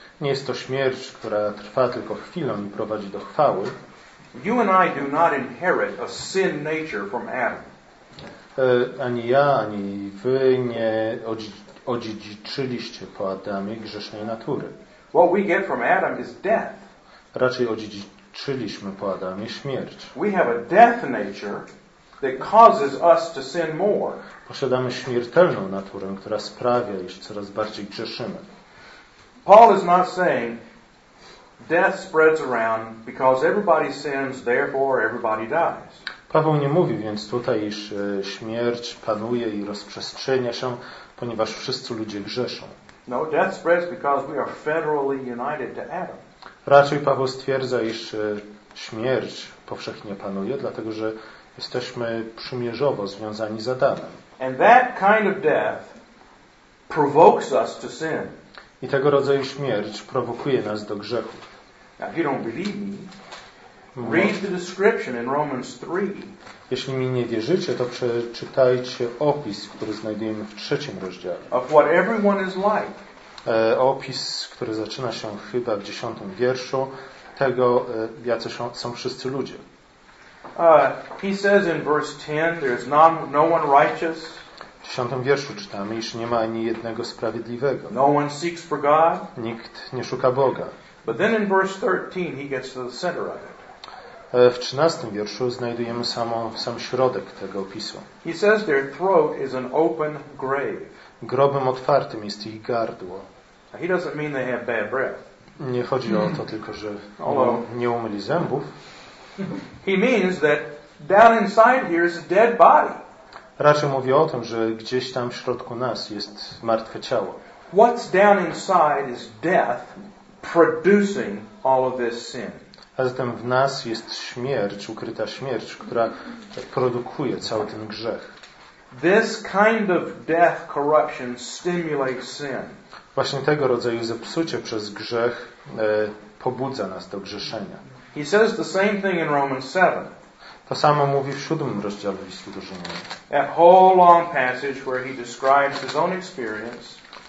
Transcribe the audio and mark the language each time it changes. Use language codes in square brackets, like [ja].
[pl] Nie jest to śmierć, która trwa tylko chwilę i prowadzi do chwały. [en] You and I do not inherit a sin nature from Adam. [pl] Ani ja, ani wy nie odziedziczyliście po Adamie grzesznej natury. [en] What we get from Adam is death. [pl] Raczej odziedziczyliśmy po Adamie śmierć. [en] We have a death nature that causes us to sin more. [pl] Posiadamy śmiertelną naturę, która sprawia, iż coraz bardziej grzeszymy. [en] Paul is not saying death spreads around because everybody sins, therefore everybody dies. [pl] Paweł nie mówi więc tutaj, iż śmierć panuje i rozprzestrzenia się, ponieważ wszyscy ludzie grzeszą. [en] No, death spreads because we are federally united to Adam. [pl] Raczej Paweł stwierdza, iż śmierć powszechnie panuje, dlatego że jesteśmy przymierzowo związani z Adamem. [en] And that kind of death provokes us to sin. [pl] I tego rodzaju śmierć prowokuje nas do grzechu. [en] Now, if you don't believe me, read the description in Romans 3. [pl] Jeśli mi nie wierzycie, to przeczytajcie opis, który znajdujemy w 3 rozdziale. [en] Of what everyone is like. [pl] Opis, który zaczyna się chyba w 10 wierszu, tego, jacy są wszyscy ludzie. [en] He says in verse 10, there is no one righteous. [pl] W 10 wierszu czytamy, iż nie ma ani jednego sprawiedliwego. [en] No one seeks for God. [pl] Nikt nie szuka Boga. [en] But then in verse 13 he gets to the center of it. [pl] W 13 wierszu znajdujemy sam środek tego opisu. [en] He says their throat is an open grave. [pl] Grobem otwartym jest ich gardło. [en] Now he doesn't mean they have bad breath. [pl] Nie chodzi o to tylko, że nie umyli zębów. [en] He means that down inside here is a dead body. [pl] Raczej mówi o tym, że gdzieś tam w środku nas jest martwe ciało. [en] What's down inside is death producing all of this sin. [pl] A zatem w nas jest śmierć, ukryta śmierć, która produkuje cały ten grzech. [en] This kind of death corruption stimulates sin. [pl] Właśnie tego rodzaju zepsucie przez grzech pobudza nas do grzeszenia. [en] He says the same thing in Romans 7. [pl] To samo mówi w 7 rozdziale listu do Rzymian. [en] A whole long passage where he describes his own experience.